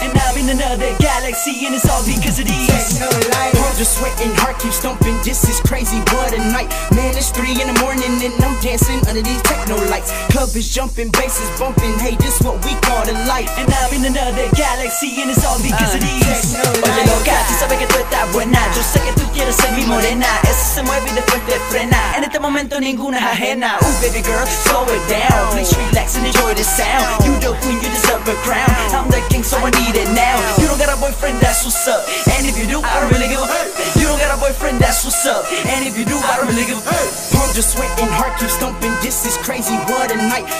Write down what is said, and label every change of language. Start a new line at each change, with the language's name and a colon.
English: And I'm in another galaxy and it's all because of these techno lights. Palms are sweating, heart keeps thumping, this is crazy, what a night. Man, it's 3 in the morning and I'm dancing under these techno lights. Club is jumping, bass is bumping, hey, this what we call the light. And I'm in another galaxy and it's all because of these techno lights.
Spanish: Oye, loca, tú sabes que tú estás buena. Yo sé que tú quieres ser mi morena. Eso se mueve y después te frena. En este momento ninguna es ajena.
English: Ooh, baby girl, slow it down. Please relax and enjoy the sound. You the queen, you deserve a crown. I'm the king, so I need it now. You don't got a boyfriend, that's what's up. And if you do, I don't really give a hurt. You don't got a boyfriend, that's what's up. And if you do, I don't really give a hurt. Palms are sweating, heart keeps thumping, this is crazy, what a night.